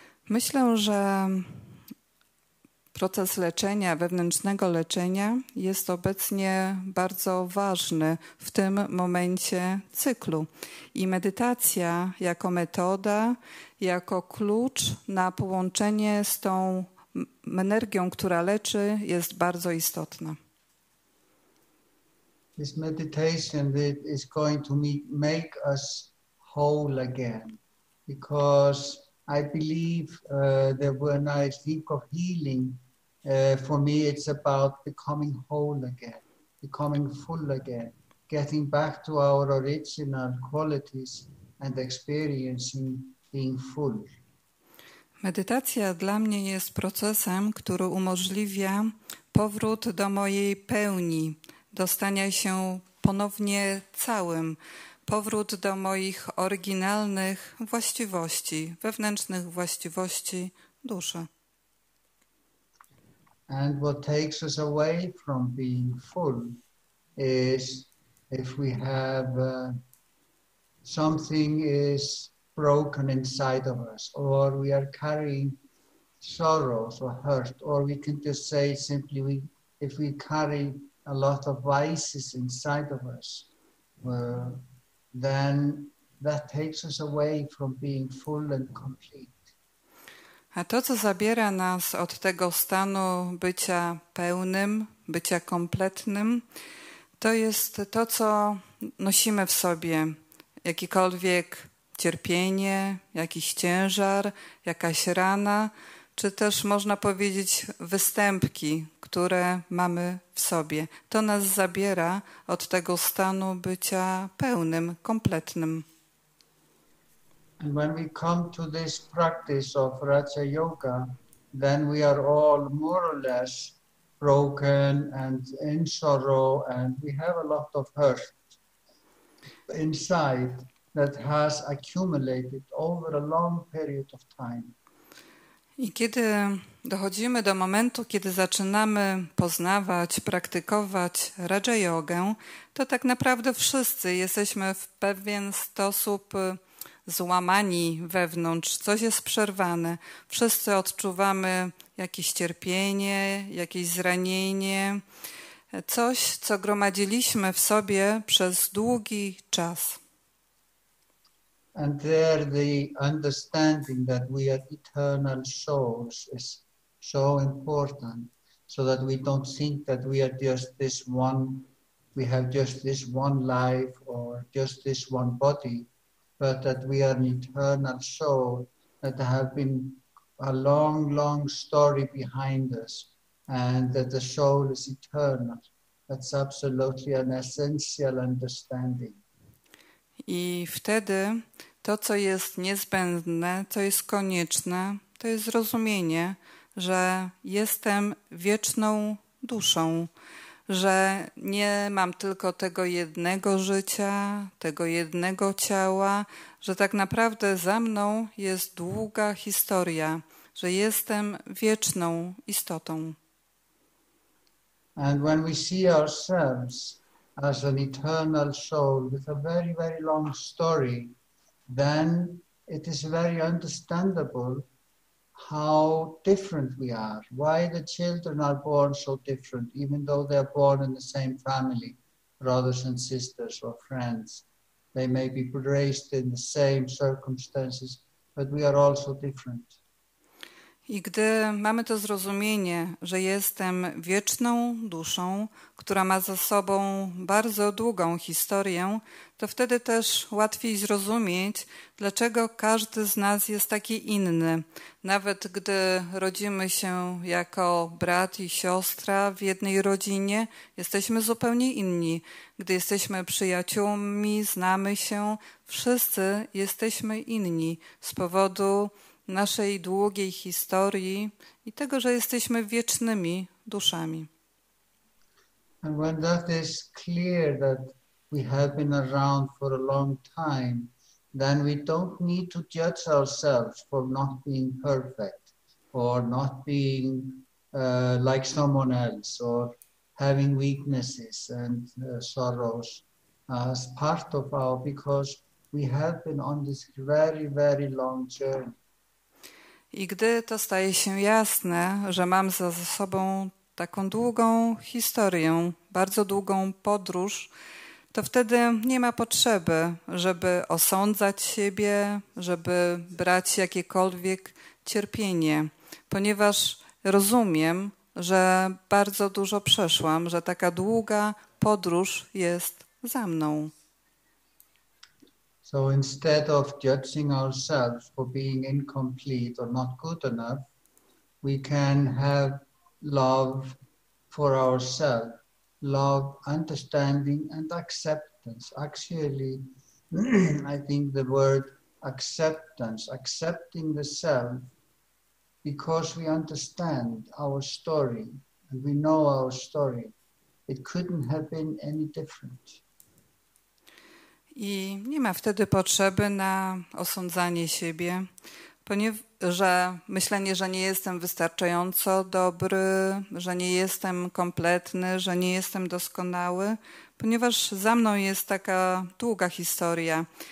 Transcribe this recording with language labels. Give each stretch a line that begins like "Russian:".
Polish: Myślę, że proces leczenia, wewnętrznego leczenia jest obecnie bardzo ważny w tym momencie cyklu. I medytacja jako metoda, jako klucz na połączenie z tą energią, która leczy, jest bardzo istotna.
English: This meditation that is going to make us whole again, because I believe that when I think of healing, for me, it's about becoming whole again, becoming full again, getting back to our original qualities and experiencing being full.
Polish: Medytacja dla mnie jest procesem, który umożliwia powrót do mojej pełni, dostania się ponownie całym, powrót do moich oryginalnych właściwości, wewnętrznych właściwości duszy.
English: And what takes us away from being full is if we have something is broken inside of us, or we are carrying sorrows or hurt, or we can just say simply we, if we carry a lot of vices inside of us, well, then that takes us away from being full and complete.
Polish: A to, co zabiera nas od tego stanu bycia pełnym, bycia kompletnym, to jest to, co nosimy w sobie. Jakiekolwiek cierpienie, jakiś ciężar, jakaś rana, czy też można powiedzieć występki, które mamy w sobie. To nas zabiera od tego stanu bycia pełnym, kompletnym.
English: And when we come to this practice of Raja Yoga, then we are all more or less broken and in sorrow, and we have a lot of hurt inside that has accumulated over a long period of time.
Polish: I kiedy dochodzimy do momentu, kiedy zaczynamy poznawać, praktykować Raja Jogę, to tak naprawdę wszyscy jesteśmy w pewien sposób złamani wewnątrz, coś jest przerwane. Wszyscy odczuwamy jakieś cierpienie, jakieś zranienie, coś, co gromadziliśmy w sobie przez długi czas.
English: And there the understanding that we are eternal souls is so important, so that we don't think that we are just this one, we have just this one life or just this one body, but that we are an eternal soul, that there have been a long, long story behind us, and that the soul is eternal. That's absolutely an essential understanding.
Polish: I wtedy to, co jest niezbędne, to jest konieczne, to jest zrozumienie, że jestem wieczną duszą, że nie mam tylko tego jednego życia, tego jednego ciała, że tak naprawdę za mną jest długa historia, że jestem wieczną istotą.
English: And when we see ourselves as an eternal soul with a very, very long story, then it is very understandable how different we are, why the children are born so different, even though they are born in the same family, brothers and sisters or friends. They may be raised in the same circumstances, but we are also different.
Polish: I gdy mamy to zrozumienie, że jestem wieczną duszą, która ma za sobą bardzo długą historię, to wtedy też łatwiej zrozumieć, dlaczego każdy z nas jest taki inny. Nawet gdy rodzimy się jako brat i siostra w jednej rodzinie, jesteśmy zupełnie inni. Gdy jesteśmy przyjaciółmi, znamy się, wszyscy jesteśmy inni z powodu naszej długiej historii i tego, że jesteśmy wiecznymi duszami.
English: And when that is clear that we have been around for a long time, then we don't need to judge ourselves for not being perfect or not being like someone else or having weaknesses and sorrows as part of our, because we have been on this very, very long journey.
Polish: I gdy to staje się jasne, że mam za sobą taką długą historię, bardzo długą podróż, to wtedy nie ma potrzeby, żeby osądzać siebie, żeby brać jakiekolwiek cierpienie, ponieważ rozumiem, że bardzo dużo przeszłam, że taka długa podróż jest za mną.
English: So instead of judging ourselves for being incomplete or not good enough, we can have love for ourselves, love, understanding and acceptance. Actually, I think the word acceptance, accepting the self, because we understand our story and we know our story, it couldn't have been any different.
Polish: I nie ma wtedy potrzeby na osądzanie siebie, że myślenie, że nie jestem wystarczająco dobry, że nie jestem kompletny, że nie jestem doskonały, ponieważ za mną jest taka długa historia